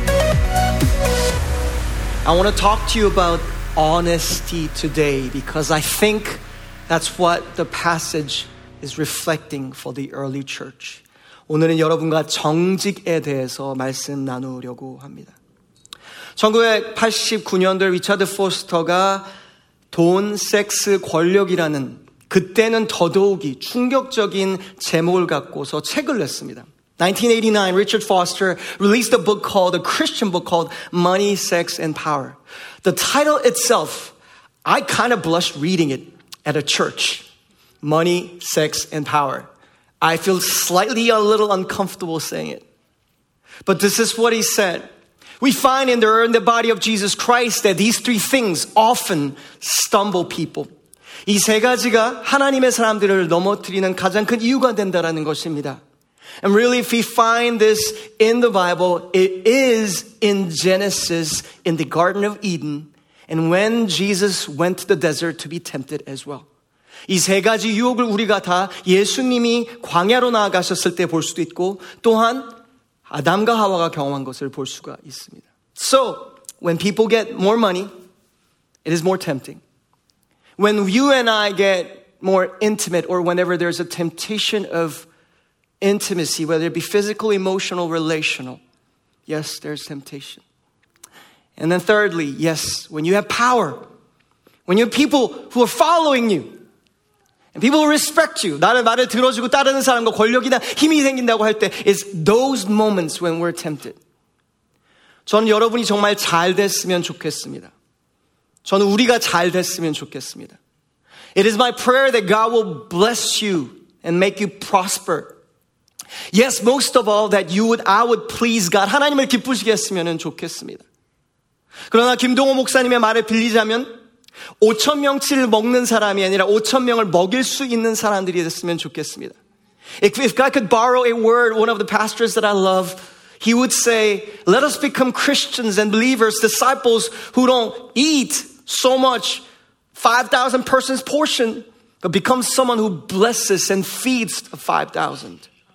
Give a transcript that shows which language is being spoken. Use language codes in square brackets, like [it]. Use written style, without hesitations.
[en] I want to talk to you about honesty today because I think that's what the passage is reflecting for the early church. [ko] 오늘은 여러분과 정직에 대해서 말씀 나누려고 합니다. 1989년도에 리처드 포스터가 돈, 섹스, 권력이라는 그때는 더더욱이 충격적인 제목을 갖고서 책을 냈습니다. [en] 1989, Richard Foster released a book called, a Christian book called Money, Sex, and Power. The title itself, I kind of blushed reading it at a church. Money, Sex, and Power. I feel slightly a little uncomfortable saying it. But this is what he said. We find in the body of Jesus Christ that these three things often stumble people. [ko] 이 세 가지가 하나님의 사람들을 넘어뜨리는 가장 큰 이유가 된다라는 것입니다. [en] And really, if we find this in the Bible, it is in Genesis, in the Garden of Eden, and when Jesus went to the desert to be tempted as well. [ko] 이 세 가지 유혹을 우리가 다 예수님이 광야로 나아가셨을 때 볼 수도 있고, 또한 아담과 하와가 경험한 것을 볼 수가 있습니다. [en] So, when people get more money, it is more tempting. When you and I get more intimate, or whenever there's a temptation of intimacy, whether it be physical, emotional, relational, yes, there's temptation. And then thirdly, yes, when you have power, when you have people who are following you, and people who respect you, [ko] 나를 말을 들어주고 따르는 사람과 권력이나 힘이 생긴다고 할 때, [en] it's those moments when we're tempted. [ko] 저는 여러분이 정말 잘 됐으면 좋겠습니다. 저는 우리가 잘 됐으면 좋겠습니다. [en] It is my prayer that God will bless you and make you prosper. Yes, most of all, that you would, I would please God. [ko] 하나님을 기쁘시게 했으면 좋겠습니다. 그러나 김동호 목사님의 말을 빌리자면 5,000명치를 먹는 사람이 아니라 5,000명을 먹일 수 있는 사람들이 됐으면 좋겠습니다. [en] If God could borrow a word, one of the pastors that I love, he would say, let us become Christians and believers, disciples who don't eat so much 5,000 persons portion, but become someone who blesses and feeds 5,000.